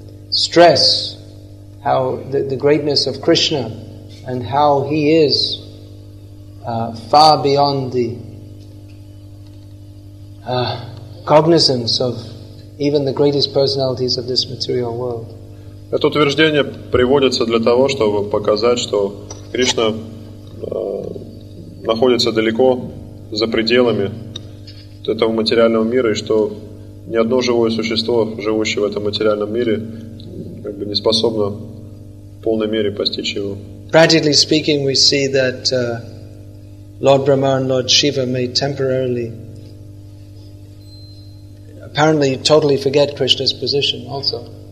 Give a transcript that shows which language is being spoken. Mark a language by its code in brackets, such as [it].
[en] stress how the greatness of Krishna and how he is far beyond the cognizance of even the greatest personalities of this material world. [ru] Это утверждение приводится для того, чтобы показать, что Кришна находится далеко за пределами этого материального мира, и что ни одно живое существо, живущее в этом материальном мире, как бы не способно в полной мере постичь его. [en] Practically speaking, we see that Lord Brahma and Lord Shiva may temporarily, apparently, totally forget Krishna's position also.